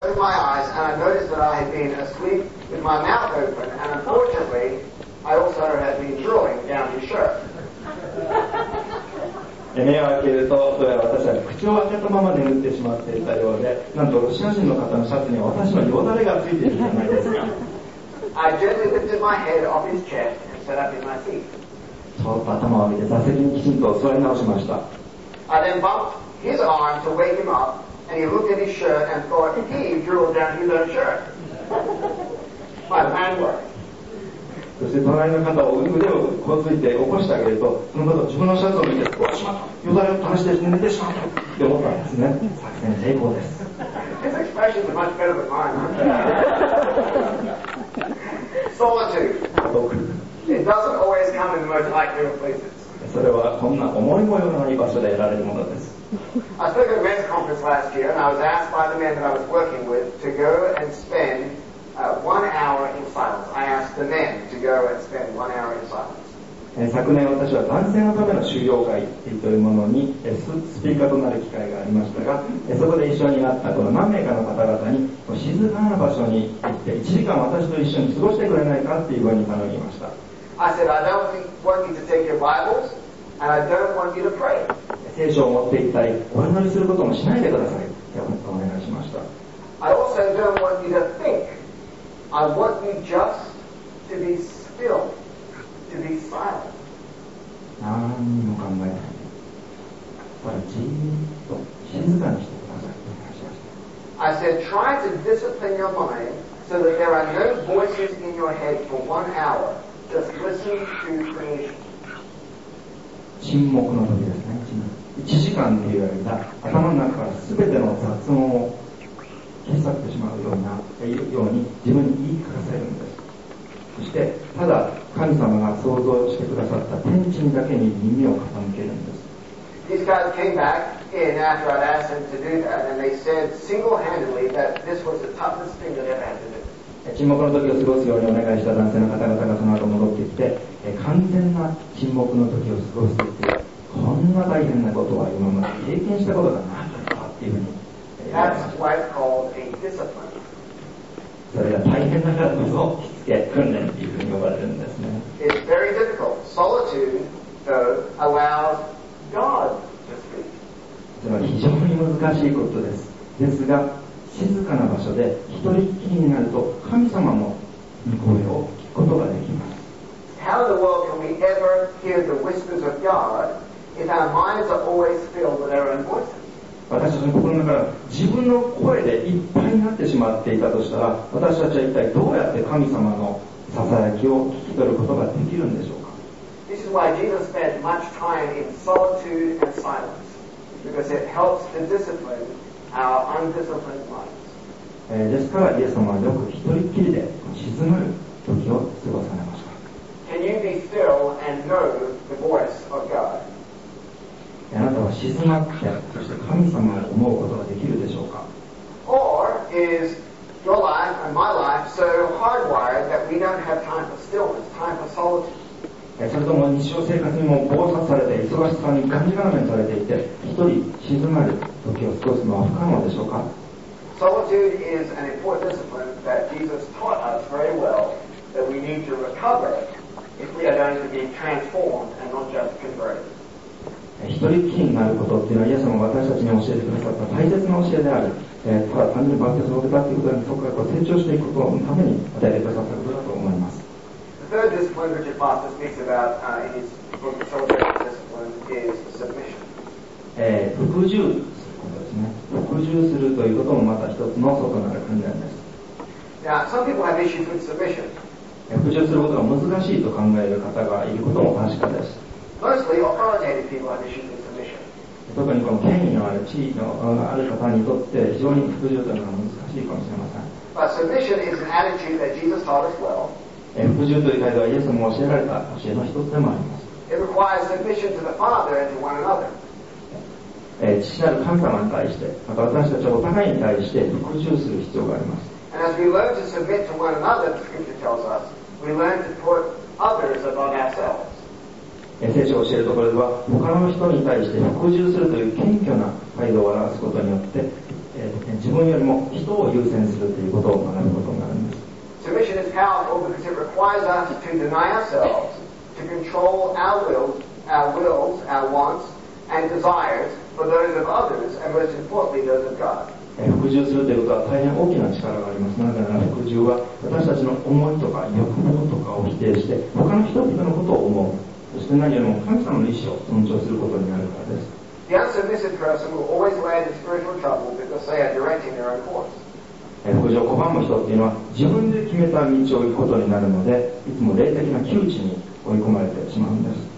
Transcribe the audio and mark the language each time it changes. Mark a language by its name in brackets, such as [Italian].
[English] opened my eyes and I noticed that I had been asleep with my mouth open, and unfortunately, I also had been drawing down his shirt. [Japanese] で目を開けると、それは私は口を開けたまま眠ってしまっていたようで、なんとロシア人の方のシャツには私のよだれがついているじゃないですか。 [English] I gently lifted my head off his chest and sat up in my seat. [Japanese] そっと頭を見て座席にきちんと座り直しました。 [English] I then bumped his arm to wake him up, and he looked at his shirt and thought he drooled down his own shirt. My plan worked. [Japanese] そして隣の方を腕をこついて起こしてあげると、その方は自分のシャツを見て、うわしまったよだれを垂らして寝てしまったって思ったんですね。作戦成功です。 [English] His expression is much better than mine. Solitude. It doesn't always come in the most likely of places. [Japanese] それはこんな思いもよらない場所で得られるものです。 [English] I spoke at a men's conference last year and I was asked by the men that I was working with to go and spend1 hour in silence. I asked the men to go and spend 1 hour in silence. [Japanese] 昨年私は男性のための修行会というものにスピーカーとなる機会がありましたが、そこで一緒になったこの何名かの方々に、静かな場所に行って1時間私と一緒に過ごしてくれないかというふうに頼みました。 [English] I said, I don't want you to take your Bibles and I don't want you to pray. [Japanese] 聖書を持って行ったりお祈りすることもしないでくださいとお願いしました。 [English] I also don't want you to thinkI want you just to be still, to be silent. [Japanese] 何にも考えないで、ただじーっと静かにしてくださいと話しました。 [English] I said, try to discipline your mind so that there are no voices in your head for 1 hour. Just listen to creation. [Japanese] 沈黙の時ですね。沈黙。 1時間という間、頭の中から全ての雑音を消さってしまうようなように自分に言い聞かせるんです。そしてただ神様が想像してくださった天地にだけに耳を傾けるんです。 [English] These guys came back in after I'd asked them to do that and they said single-handedly that this was the toughest thing they ever had to do. [Japanese] 沈黙の時を過ごすようにお願いした男性の方々がその後戻ってきて、完全な沈黙の時を過ごすと言って、こんな大変なことは今まで経験したことがなかったっていうふうに、 [English] That's what it's called a discipline. [Japanese] それが大変だからこそ、しつけ、訓練というふうに呼ばれるんですね。 [English] It's very difficult. Solitude, though, allows God to speak. [Japanese] それは非常に難しいことです。ですが、静かな場所で一人っきりになると、神様の声を聞くことができます。 [English] How in the world can we ever hear the whispers of God if our minds are always filled with our own voices? [Japanese] 私たちの心の中が自分の声でいっぱいになってしまっていたとしたら、私たちは一体どうやって神様のささやきを聞き取ることができるんでしょうか。 [English] This is why Jesus spent much time in solitude and silence, because it helps to discipline our undisciplined minds. [Japanese] ですからイエス様はよく一人きりで静まる時を過ごされました。 [English] Can you be still and know the voice of God? [Japanese] あなたは静まって、そして神様を思うことができるでしょうか。 [English] Or is your life and my life so hardwired that we don't have time for stillness, time for solitude? [Japanese] それとも日常生活にも忙殺されて、忙しさにがんじがらめされていて、一人静まる時を過ごすのは不可能でしょうか。 [English] Solitude is an important discipline that Jesus taught us very well that we need to recover if we are going to be transformed and not just converted. [Japanese] 一人っきりになることっていうのは、イエス様が私たちに教えてくださった大切な教えである。ただ単純にバッテスを受けたっていうことに、そこから成長していくことのために与えてくださったことだと思います。 [English] The third discipline Richard Foster speaks about in his book, The Celebrated Discipline, is submission. [Japanese] 服従することですね。服従するということもまた一つの外なる訓練です。 [English] Now, some people have issues with submission. [Japanese] 服従することが難しいと考える方がいることも確かです。 [English] Mostly authoritative people have issues with submission. [Japanese] 特にこの権威のある地位のある方にとって非常に服従というのは難しいかもしれません。 [English] But submission is an attitude that Jesus taught as well. [Japanese] 服従という態度はイエスも教えられた教えの一つでもあります。 [English] It requires submission to the Father and to one another. [Japanese] 父なる神様に対して、また私たちはお互いに対して服従する必要があります。 [English] And as we learn to submit to one another, the scripture tells us, we learn to put others above ourselves. [Japanese] 聖書を教えるところでは、他の人に対して服従するという謙虚な態度を表すことによって、自分よりも人を優先するということを学ぶことになるんです。 [English] Submission is powerful because it requires us to deny ourselves, to control our wills, our wants, and desires for those of others, and most importantly, those of God. [Japanese] 服従するということは大変大きな力があります。なぜなら服従は私たちの思いとか欲望とかを否定して他の人々のことを思う。そして何よりも神様の意思を尊重することになるからです。 [English] The unsubmissive person will always land in spiritual trouble because they are directing their own course. [Japanese] 服従を拒む人というのは自分で決めた道を行くことになるのでいつも霊的な窮地に追い込まれてしまうんです。